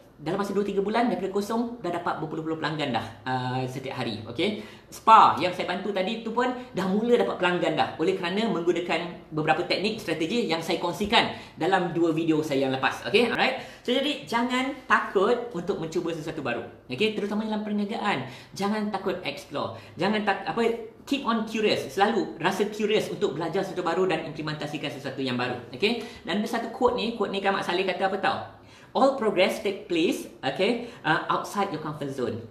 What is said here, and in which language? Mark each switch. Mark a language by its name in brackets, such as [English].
[Malay] dalam masa 2-3 bulan daripada kosong dah dapat berpuluh-puluh pelanggan dah setiap hari. Okay? Spa yang saya bantu tadi tu pun dah mula dapat pelanggan dah oleh kerana menggunakan beberapa teknik strategi yang saya kongsikan dalam dua video saya yang lepas. Okay? Alright? So, jadi jangan takut untuk mencuba sesuatu baru. Okay? Terutama dalam perniagaan. Jangan takut explore. Jangan tak apa, [English] keep on curious. [Malay] Selalu rasa curious untuk belajar sesuatu baru dan implementasikan sesuatu yang baru. Okay? Dan ada satu quote ni kan Mak Saleh kata apa tau? [English] All progress take place, okay, outside your comfort zone.